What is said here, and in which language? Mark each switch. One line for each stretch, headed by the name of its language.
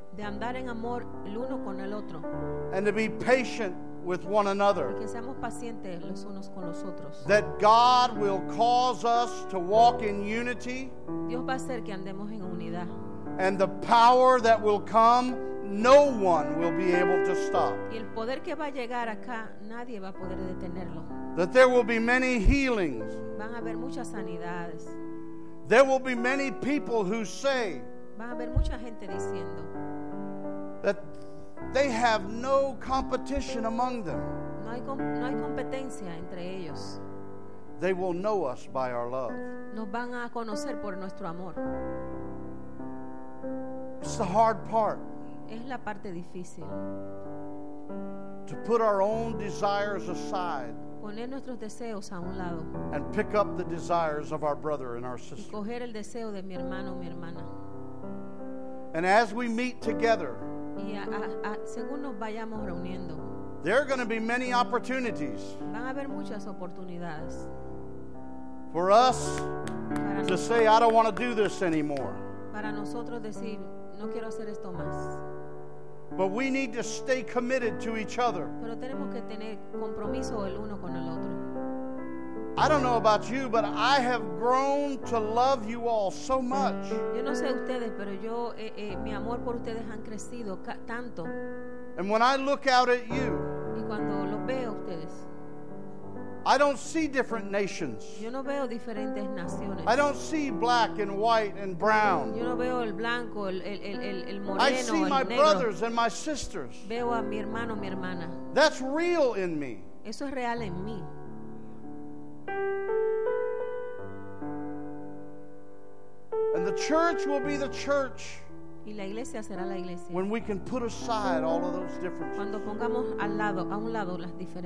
Spanish: de andar en amor el uno con el otro,
English: and to be patient with one another,
Spanish: y que seamos pacientes los unos con los otros,
English: that God will cause us to walk in unity,
Spanish: Dios va a hacer que andemos en unidad,
English: and the power that will come no one will be able to stop.
Spanish: Y el poder que va a llegar acá, nadie va a poder detenerlo.
English: That there will be many healings.
Spanish: Van a haber muchas sanidades.
English: There will be many people who say,
Spanish: van a haber mucha gente diciendo,
English: that they have no competition among them.
Spanish: No hay competencia entre ellos.
English: They will know us by our love.
Spanish: Nos van a conocer por nuestro amor.
English: It's the hard part.
Spanish: Es la parte difícil.
English: To put our own desires aside.
Spanish: Poner nuestros deseos a un lado.
English: And pick up the desires of our brother and our sister.
Spanish: Y coger el deseo de mi hermano o mi hermana.
English: And as we meet together.
Spanish: Y según nos vayamos reuniendo.
English: There are going to be many opportunities.
Spanish: Van a haber muchas oportunidades.
English: For us to say, I don't want to do this anymore.
Spanish: Para nosotros decir, no quiero hacer esto más.
English: But we need to stay committed to each other.
Spanish: Pero tenemos que tener compromiso el uno con el otro.
English: I don't know about you, but I have grown to love you all so much.
Spanish: Yo no sé ustedes, pero yo mi amor por ustedes han crecido tanto.
English: And when I look out at you,
Spanish: y cuando los veo a ustedes,
English: I don't see different nations.
Spanish: Yo no veo diferentes naciones.
English: I don't see black and white and brown.
Spanish: Yo no veo el blanco, el moreno,
English: I see
Spanish: el
English: my
Spanish: negro.
English: Brothers and my sisters.
Spanish: Veo a mi hermano, mi hermana.
English: That's real in me.
Spanish: Eso es real en mí.
English: And the church will be the church.
Spanish: Y la iglesia será la iglesia.
English: When we can put aside all of those differences.
Spanish: Cuando pongamos al lado, a un lado las diferencias.